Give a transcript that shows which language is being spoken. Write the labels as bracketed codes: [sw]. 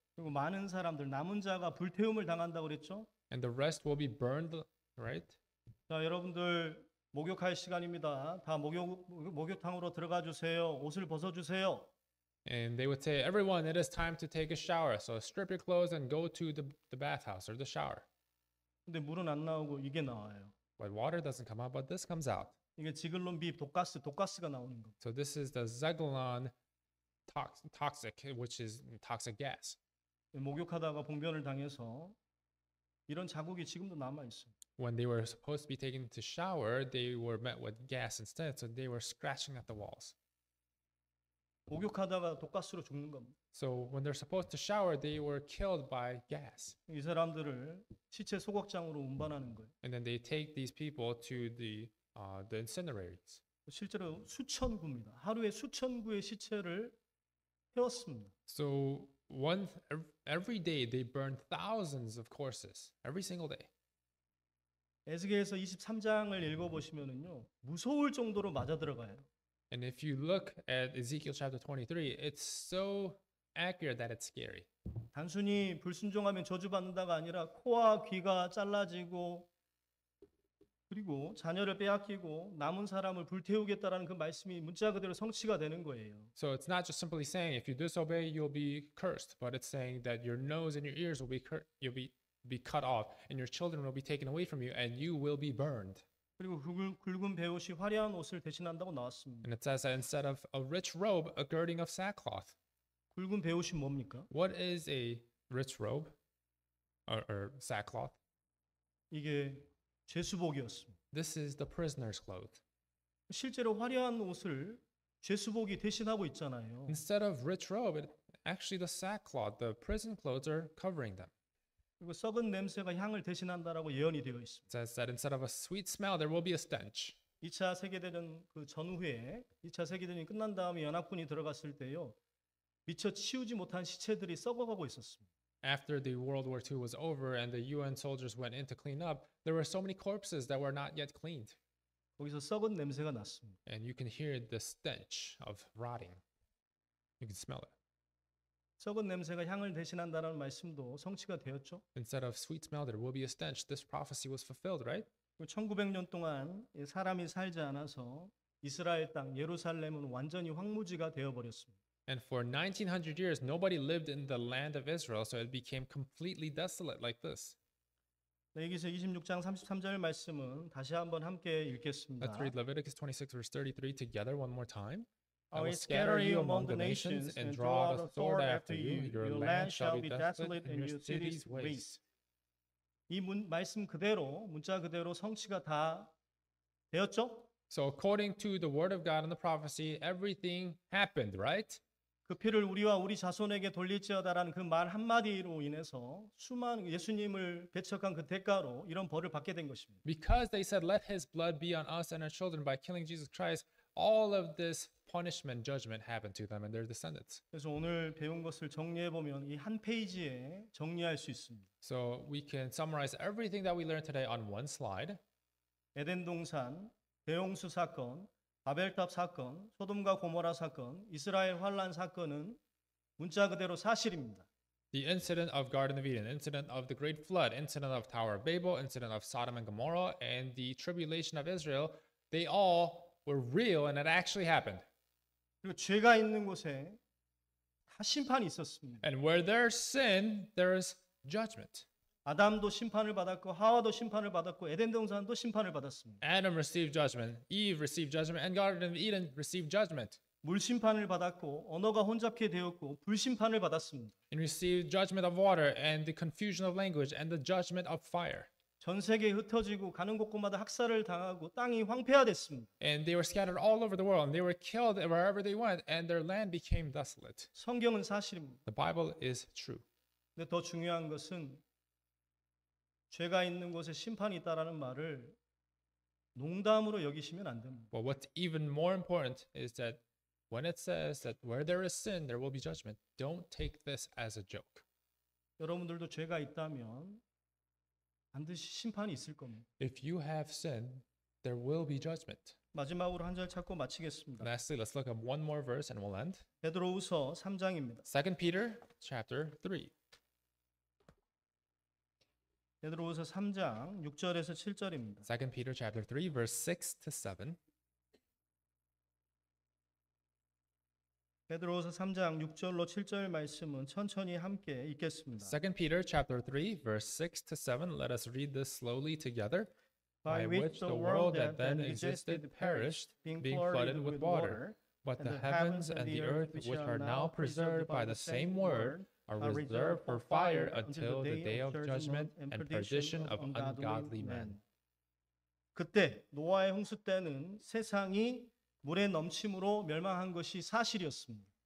[ko] 그리고 많은 사람들, 남은 자가 불태움을 당한다고 그랬죠. [en] And the rest will be burned, right? [ko] 자, 여러분들 목욕할 시간입니다. 다 목욕탕으로 들어가 주세요. 옷을 벗어 주세요. [en] And they would say, everyone, it is time to take a shower. So strip your clothes and go to the bathhouse or the shower. [ko] 근데 물은 안 나오고 이게 나와요. [en] But water doesn't come out, but this comes out. [ko] 이게 지글론 비 독가스, 독가스가 나오는 거. [en] So this is the Zeglon toxic, which is toxic gas. [ko] 목욕하다가 봉변을 당해서 이런 자국이 지금도 남아 있어. [en] When they were supposed to be taken to shower, they were met with gas instead, so they were scratching at the walls. [ko] 목욕하다가 독가스로 죽는 겁니다. [en] So when they're supposed to shower, they were killed by gas. [ko] 이 사람들을 시체 소각장으로 운반하는 거예요. [en] And then they take these people to the incinerators. [ko] 실제로 수천 구입니다. 하루에 수천 구의 시체를 태웠습니다. [en] So every day they burned thousands of corpses. Every single day. [ko] 에스겔서 23장을 읽어보시면은요, 무서울 정도로 맞아 들어가요. [en] And if you look at Ezekiel chapter 23, it's so accurate that it's scary. [ko] 단순히 불순종하면 저주받는다가 아니라 코와 귀가 잘라지고 그리고 자녀를 빼앗기고 남은 사람을 불태우겠다라는 그 말씀이 문자 그대로 성취가 되는 거예요. [en] So it's not just simply saying if you disobey you'll be cursed, but it's saying that your nose and your ears will be you'll be cut off and your children will be taken away from you and you will be burned. [ko] 그리고 굵은 배옷이 화려한 옷을 대신한다고 나왔습니다. [en] And it says that instead of a rich robe, a girding of sackcloth. [ko] 굵은 배옷이 뭡니까? [en] What is a rich robe or sackcloth? [ko] 이게 죄수복이었습니다. [en] This is the prisoner's clothes. [ko] 실제로 화려한 옷을 죄수복이 대신하고 있잖아요. [en] Instead of rich robe, actually the sackcloth, the prison clothes are covering them. [ko] 그리고 썩은 냄새가 향을 대신한다라고 예언이 되어 있습니다. [en] It says that instead of a sweet smell, there will be a stench. [ko] 2차 세계대전 그 전후에 2차 세계대전이 끝난 다음에 연합군이 들어갔을 때요, 미처 치우지 못한 시체들이 썩어가고 있었습니다. [en] After the World War II was over and the UN soldiers went in to clean up, there were so many corpses that were not yet cleaned. [ko] 거기서 썩은 냄새가 났습니다. [en] And you can hear the stench of rotting. You can smell it. [ko] 썩은 냄새가 향을 대신한다는 말씀도 성취가 되었죠. [en] Instead of sweet smell, there will be a stench. This prophecy was fulfilled, right? [ko] 1900년 동안 사람이 살지 않아서 이스라엘 땅 예루살렘은 완전히 황무지가 되어버렸습니다. [en] And for 1900 years, nobody lived in the land of Israel, so it became completely desolate like this. [ko] 레위기서 26장 33절 말씀은 다시 한번 함께 읽겠습니다. [en] Let's read Leviticus 26 verse 33 together one more time. I will scatter you among the nations and draw out a sword after you. Your land shall be desolate and your cities waste. [ko] 이 말씀 그대로 문자 그대로 성취가 다 되었죠? [en] So according to the word of God and the prophecy, everything happened, right? [ko] 그 피를 우리와 우리 자손에게 돌릴지어다라는 그 말 한마디로 인해서 수많은 예수님을 배척한 그 대가로 이런 벌을 받게 된 것입니다. [en] Because they said, "Let His blood be on us and our children by killing Jesus Christ," all of this punishment, judgment happened to them and their descendants. [ko] 그래서 오늘 배운 것을 정리해 보면 이 한 페이지에 정리할 수 있습니다. [en] So we can summarize everything that we learned today on one slide. [ko] 에덴 동산, 대홍수 사건, 바벨탑 사건, 소돔과 고모라 사건, 이스라엘 환란 사건은 문자 그대로 사실입니다. [en] The incident of Garden of Eden, incident of the Great Flood, incident of Tower of Babel, incident of Sodom and Gomorrah, and the tribulation of Israel, they all were real and it actually happened. [ko] 그리고 죄가 있는 곳에 다 심판이 있었습니다. [en] And where there's sin, there's judgment. [ko] 아담도 심판을 받았고 하와도 심판을 받았고 에덴 동산도 심판을 받았습니다. [en] Adam received judgment, Eve received judgment, and Garden of Eden received judgment. [ko] 물 심판을 받았고 언어가 혼잡케 되었고 불 심판을 받았습니다. [en] And received judgment of water and the confusion of language and the judgment of fire. [ko] 전 세계에 흩어지고 가는 곳곳마다 학살을 당하고 땅이 황폐화됐습니다. [en] And they were scattered all over the world and they were killed wherever they went and their land became desolate. [ko] 성경은 사실입니다. [en] The Bible is true. [ko] 근데 더 중요한 것은 죄가 있는 곳에 심판이 있다라는 말을 농담으로 여기시면 안 됩니다. [en] But what's even more important is that when it says that where there is sin there will be judgment, don't take this as a joke. [ko] 여러분들도 죄가 있다면 반드시 심판이 있을 겁니다. [en] If you have sin, there will be judgment. [ko] 마지막으로 한 절 찾고 마치겠습니다. [en] Lastly, let's look at one more verse and we'll end. [ko] 베드로후서 3장입니다. [en] 2 Peter chapter 3. [ko] 베드로후서 3장 6절에서 7절입니다. [en] 2 Peter chapter 3 verse 6 to 7. [ko] 베드로후서 3장 6절로 7절 말씀은 천천히 함께 읽겠습니다. [en] 2 Peter chapter 3 verse 6 to 7. Let us read this slowly together. By which the world that then existed perished, being flooded with water, but the heavens and the earth which are now preserved by the same word are reserved for fire until the day of judgment and perdition of ungodly men. [ko] 그때 노아의 홍수 때는 세상이 물에 넘침으로 멸망한 것이 사실이었습니다.